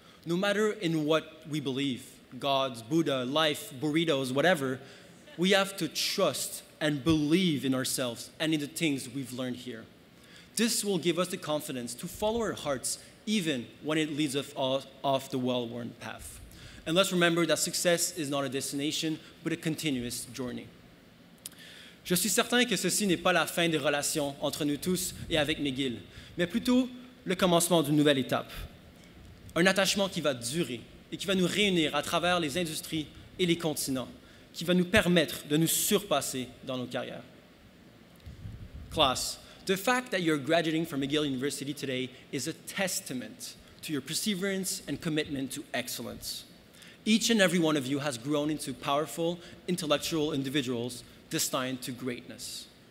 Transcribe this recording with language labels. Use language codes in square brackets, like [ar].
[en] No matter in what we believe, God, Buddha, life, burritos, whatever, we have to trust and believe in ourselves and in the things we've learned here. This will give us the confidence to follow our hearts even when it leads us off the well-worn path. And let's remember that success is not a destination, but a continuous journey. [fr] Je suis certain que ceci n'est pas la fin des relations entre nous tous et avec McGill, mais plutôt le commencement d'une nouvelle étape. Un attachement qui va durer et qui va nous réunir à travers les industries et les continents, qui va nous permettre de nous surpasser dans nos carrières. [en] Class, the fact that you're graduating from McGill University today is a testament to your perseverance and commitment to excellence. Each and every one of you has grown into powerful, intellectual individuals destined to greatness.